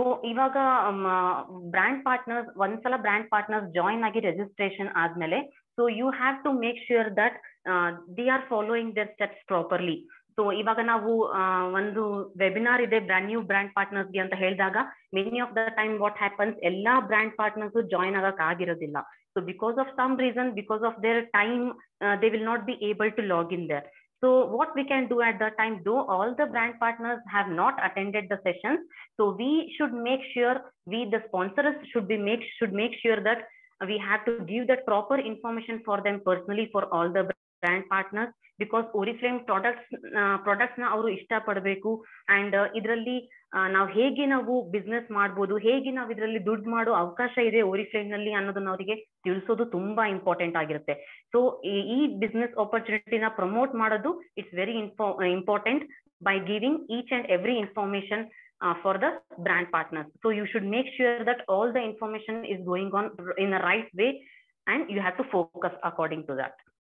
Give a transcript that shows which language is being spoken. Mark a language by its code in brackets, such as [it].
[kn] ಇವಾಗ brand partners ಒಂದ್ಸಲ brand partners join ಆಗಿ ರಿಜಿಸ್ಟ್ರೇಷನ್ ಆದ್ಮೇಲೆ, [en] So you have to make sure that the are following their steps properly. [kn] So ಇವಾಗ ನಾವು ಒಂದು ವೆಬಿನಾರ್ ಇದೆ ಬ್ರ್ಯಾಂಡ್ ನ್ಯೂ ಬ್ರ್ಯಾಂಡ್ ಪಾರ್ಟ್ನರ್ಸ್ಗೆ ಅಂತ ಹೇಳಿದಾಗ, [en] many of the time what happens, [kn] ಎಲ್ಲಾ ಬ್ರ್ಯಾಂಡ್ ಪಾರ್ಟ್ನರ್ಸ್ ಜಾಯ್ನ್ ಆಗಕ್ ಆಗಿರೋದಿಲ್ಲ. [en] So because of some reason, because of their time, they will not be able to log in there. So what we can do at that time, though all the brand partners have not attended the sessions, so we should make sure, we the sponsors should make sure that we have to give that proper information for them personally for all the brand partners, because [kn] Oriflame products na avaru ishta padbeku, and idralli ನಾವು ಹೇಗೆ ನಾವು business ಮಾಡ್ಬೋದು, ಹೇಗೆ ನಾವು ಇದರಲ್ಲಿ ದುಡ್ಡು ಮಾಡೋ ಅವಕಾಶ ಇದೆ ಓರಿಫ್ಲೇಮ್ ನಲ್ಲಿ ಅನ್ನೋದನ್ನ ಅವರಿಗೆ ತಿಳಿಸೋದು ತುಂಬಾ ಇಂಪಾರ್ಟೆಂಟ್ ಆಗಿರುತ್ತೆ. ಸೊ ಈ ಬಿಸ್ನೆಸ್ ಆಪರ್ಚುನಿಟಿನ ಪ್ರಮೋಟ್ ಮಾಡೋದು [en] It's very important by giving each and every information for the brand partners. So you should make sure that all the information is going on in a right way, and you have to focus according to that.